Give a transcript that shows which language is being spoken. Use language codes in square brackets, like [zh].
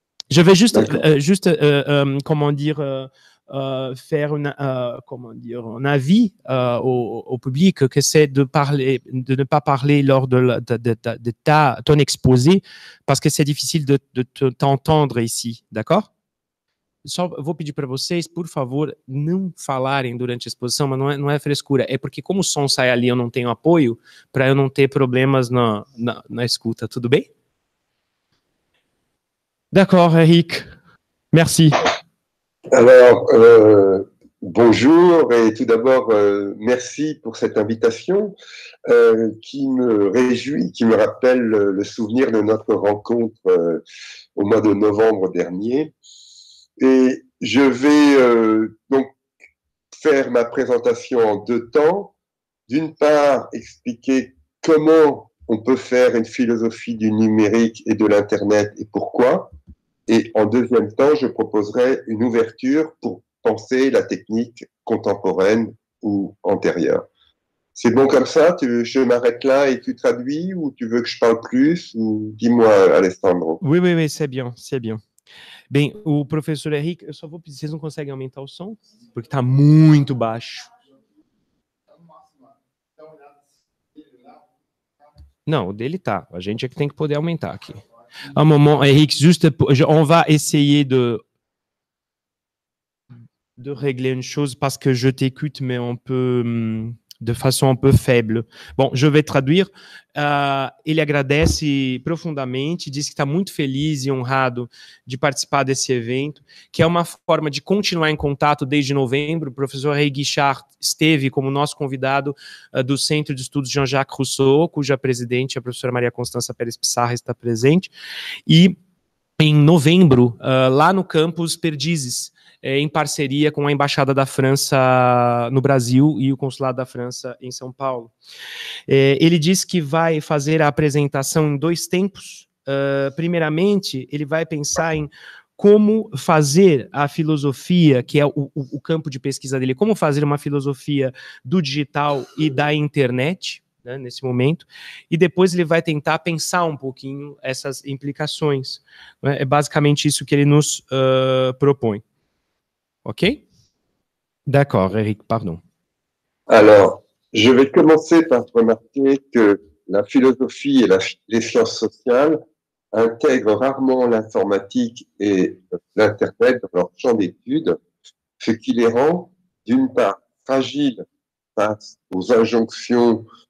[fr] Je vais juste, faire un avis au public, que c'est de ne pas parler lors de ton exposé, parce que c'est difficile de t'entendre ici, d'accord? [pt] Só vou pedir para vocês, por favor, não falarem durante a exposição, mas não é frescura. É porque como o som sai ali, eu não tenho apoio, para eu não ter problemas na escuta, tudo bem? [fr] D'accord, Eric. Merci. Alors, bonjour, et tout d'abord, merci pour cette invitation qui me réjouit, qui me rappelle le souvenir de notre rencontre au mois de novembre dernier. Et je vais donc faire ma présentation en deux temps. D'une part, expliquer comment on peut faire une philosophie du numérique et de l'Internet et pourquoi. Et en deuxième temps, je proposerai une ouverture pour penser la technique contemporaine ou antérieure. C'est bon comme ça? Je m'arrête là et tu traduis ou tu veux que je parle plus? Ou dis-moi, Alessandro. Oui, c'est bien, c'est bien. [pt] Bem, o professor Henrique, eu só vou pedir, vocês não conseguem aumentar o som? Porque está muito baixo. Não, o dele está. A gente é que tem que poder aumentar aqui. Um momento, [fr] Henrique, on va essayer de régler une chose, parce que je t'écoute, mais on peut... de façon un peu faible. Bom, je vais traduire. [pt] Ele agradece profundamente, diz que está muito feliz e honrado de participar desse evento, que é uma forma de continuar em contato desde novembro. O professor Henri Guichard esteve como nosso convidado do Centro de Estudos Jean-Jacques Rousseau, cuja presidente, a professora Maria Constança Pérez Pissarra, está presente. E em novembro, lá no campus Perdizes, em parceria com a Embaixada da França no Brasil e o Consulado da França em São Paulo. Ele disse que vai fazer a apresentação em dois tempos, primeiramente, ele vai pensar em como fazer a filosofia, que é o campo de pesquisa dele, como fazer uma filosofia do digital e da internet, né, nesse momento, e depois ele vai tentar pensar um pouquinho essas implicações. Né, é basicamente isso que ele nos propõe. [fr] Ok? D'accord, Eric, pardon. Alors, je vais commencer par remarquer que la philosophie et les sciences sociales intègrent rarement l'informatique et l'Internet dans leur champ d'études, ce qui les rend, d'une part, fragiles face aux injonctions,